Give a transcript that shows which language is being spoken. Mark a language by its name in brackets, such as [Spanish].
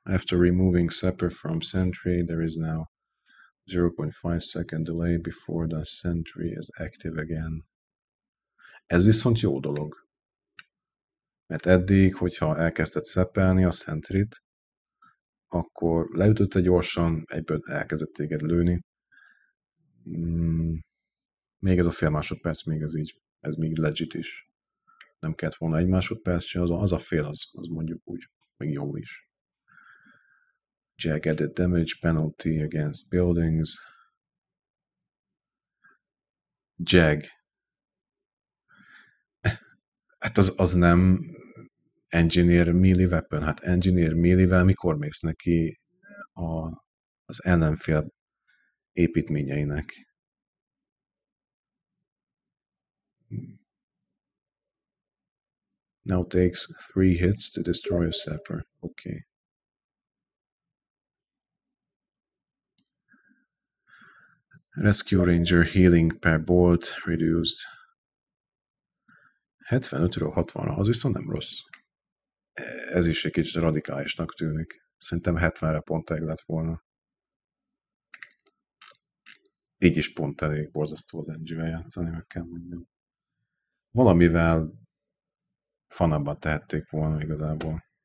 [English] After removing Sapper from Sentry, there is now 0.5 second delay before the Sentry is active again. [Hungarian] Ez viszont jó dolog. Mert eddig, hogyha elkezdted szeppelni a Sentryt, akkor leütötte gyorsan, egyből elkezdett téged lőni. Még ez a fél másodperc, még ez így, ez még legit is. Nem kellett volna egy másodperc, csak az a fél, az mondjuk úgy, még jó is. [English] Jagged damage penalty against buildings. Jag. [Hungarian] Hát az nem engineer melee weapon. Hát engineer melee-vel mikor mész neki az ellenfél építményeinek. [English] Now takes three hits to destroy a sapper. Okay. Rescue Ranger healing per bolt reduced. [Hungarian] 75-ről 60-ra, az viszont nem rossz. Ez is egy kicsit radikálisnak tűnik. Szerintem 70-re pont elég lett volna. Így is pont elég borzasztó az NG-vel játszani, meg kell mondjam. Valamivel fanabban tehették volna igazából.